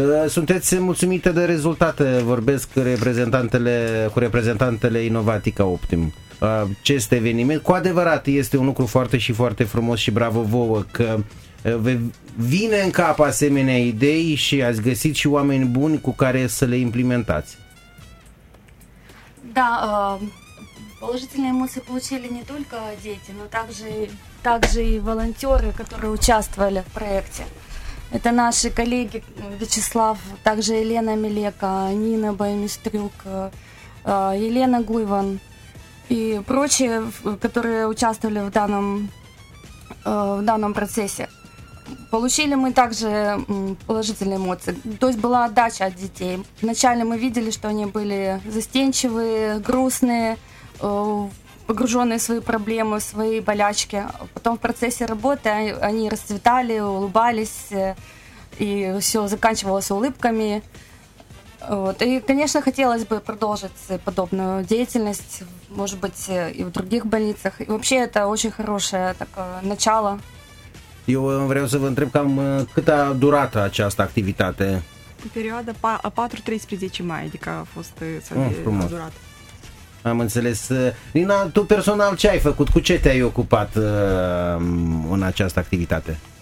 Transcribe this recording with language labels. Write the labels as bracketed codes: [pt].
[ro] Sunteți mulțumite de rezultate, vorbesc cu reprezentantele Innovatica Optim. Acest eveniment, cu adevărat, este un lucru foarte și foarte frumos și bravo vouă că vine în cap asemenea idei și ați găsit și oameni buni cu care să le implementați. [ru] Da, положительные эмоции получили не только дети, но также и волонтеры, которые участвовали в проекте. Это наши коллеги Вячеслав, также Елена Милека, Нина Баймистрюк, Елена Гуйван и прочие, которые участвовали в данном процессе. Получили мы также положительные эмоции. То есть была отдача от детей. Вначале мы видели, что они были застенчивые, грустные, погруженные в свои проблемы, в свои болячки. Потом в процессе работы они расцветали, улыбались, и все заканчивалось улыбками. Вот. И, конечно, хотелось бы продолжить подобную деятельность, может быть, и в других больницах. И вообще это очень хорошее такое начало. [ro] Eu vreau să vă întreb cam cât a durat această activitate. Perioada 4-13 mai, adică a fost a durat. Am înțeles. Nina, tu personal ce ai făcut? Cu ce te-ai ocupat în această activitate?